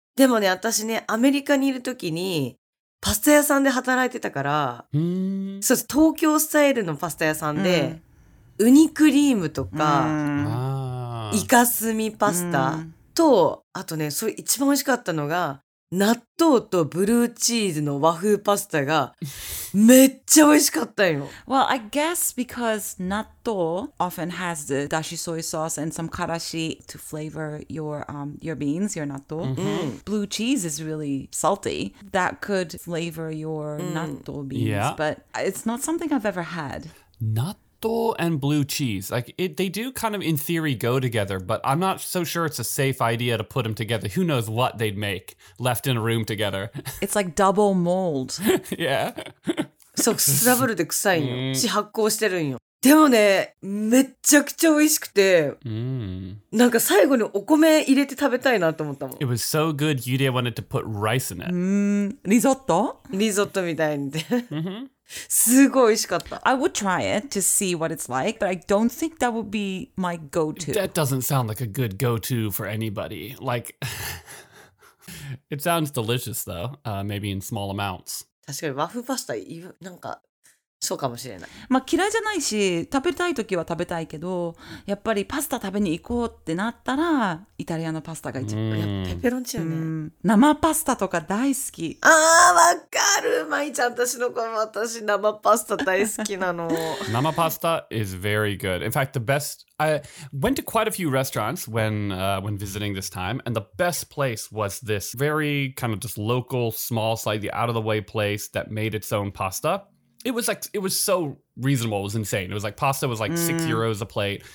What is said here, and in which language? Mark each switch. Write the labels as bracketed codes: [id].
[ja] でもね、私ね、アメリカにいるときにパスタ屋さんで働いてたから、そうです、東京スタイルのパスタ屋さんで、ウニクリームとか、イカスミパスタと、あとね、それ一番美味しかったのが、納豆とブルーチーズの和風パスタがめっちゃ美味しかったよ。 [en] Well, I guess because 納豆 often has the dashi soy sauce and some karashi to flavor your beans, your 納豆. Blue cheese is really salty. That could flavor your 納豆 beans,、but it's not something I've ever had. 納豆?And blue cheese. Like, they do kind of in theory go together, but I'm not so sure it's a safe idea to put them together. Who knows what they'd make left in a room together? It's like double mold. Yeah. [ja] So, ダブルで臭いよ。し、発酵してるんよ。でもね、めっちゃくちゃ美味しくて、なんか最後にお米入れて食べたいなと思ったもん。 [en] It was so good, you didn't want to put rice in it. [ja] リゾット? リゾットみたいにて。すごい美味しかった。 [en] I would try it to see what it's like, but I don't think that would be my go-to. That doesn't sound like a good go-to for anybody. Like, it sounds delicious though, maybe in small amounts. [ja] 確かに和風パスタ、なんか、そうかもしれない。まあ嫌いじゃないし、食べたい時は食べたいけど、やっぱりパスタ食べに行こうってなったら、イタリアのパスタが一番。ペペロンチーノね。生パスタとか大好き。あー、わかる。まいちゃん、私の子も私、生パスタ大好きなの。 [en] 生パスタ is very good. In fact, the best... I went to quite a few restaurants when visiting this time, and the best place was this very kind of just local, small, slightly out-of-the-way place that made its own pasta. It was so reasonable. It was insane. It was like pasta was like €6 a plate.